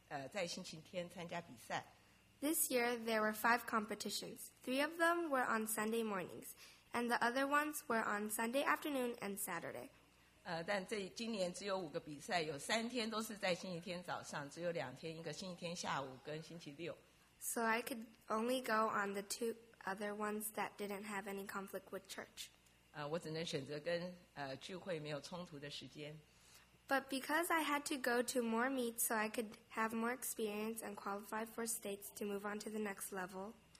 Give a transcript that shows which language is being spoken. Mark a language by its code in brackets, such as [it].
[zh] 但是我已经献了我的星期天分别为圣，要敬拜主，所以我告诉老师我不能在星期天参加比赛。 [en] This year, there were 5 competitions. 3 of them were on Sunday mornings, and the other ones were on Sunday afternoon and Saturday. [zh] 但今年只有5个比赛，有3天都是在星期天早上，只有2天，一个星期天下午跟星期六。 [en] So I could only go on the 2 other ones that didn't have any conflict with church. [zh] 我只能选择跟聚会没有冲突的时间。 [en] But because I had to go to more meets so I could have more experience and qualify for states to move on to the next level.